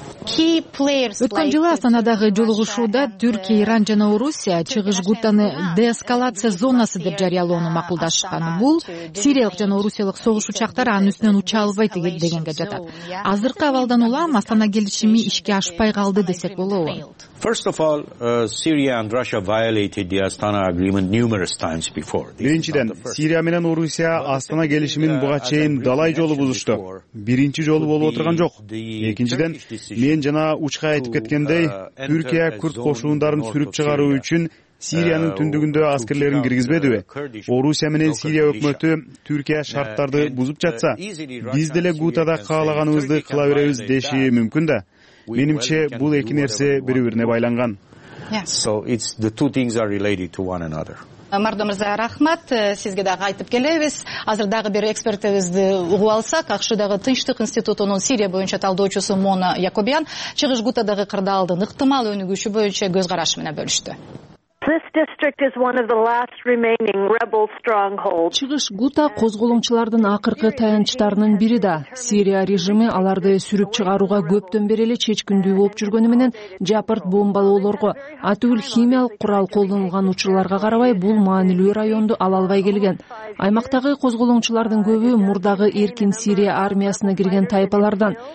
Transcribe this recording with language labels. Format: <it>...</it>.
<ky>Өткөн жылы Астанадагы жолугушууда Түркия, Иран жана Орусия чыгыш Гутаны деэскалация зонасы деп жарыялоону макулдашкан. Бул сириялык жана орусиялык согуш учактары анын үстүнөн уча албайт дегенге жатат. Азыркы абалдан улам Астана келишими ишке ашпай калды десек болобу?</ky> <en>First of all, Syria and Russia violated the Astana agreement numerous times before.</en> <ky>Биринчиден, Сирия менен Орусия Астана келишимин буга чейин далай жолу бузушту. Биринчи жолу болуп отурган жок. Экинчиден, мен жана учка айтып кеткендей, Түркия курд кошуундарын сүрүп чыгаруу үчүн Сириянын түндүгүндө аскерлерин киргизбедиби? Орусия менен Сирия өкмөтү Түркия шарттарды бузуп жатса, биз деле Гутада каалаганыбызды кыла беребиз деши мүмкүн да? Менимче, бул эки нерсе бири-бирине байланган.</ky> <en>So it's the two things are related to one another.</en> <ky>Мардо Мырза, рахмат. Сизге дагы айтып келебиз. Азыр дагы бир экспертибизди угуп алсак, Акшыдагы Тынчтык институтунун Сирия боюнча талдоочусу Мона Якобиан Чыгыш Гутадагы кырдаалдын ыктымал өнүгүшү боюнча көз карашы менен бөлүштү.</ky> <en>This district is one of the last remaining rebel strongholds.</en> <ky>Чыгыш Гута козголоңчулардын акыркы таянычтарынын бири да. Сирия режими аларды сүрүп чыгарууга көптөн бери эле чечкиндүү болуп жүргөнү менен жапырт бомбалоолорго, атүл химиялык курал колдонулган учурларга карабай бул маанилүү райондо ала албай келген. Аймактагы козголоңчулардын көбү мурдагы эркин Сирия армиясына кирген тайпалардан.</ky>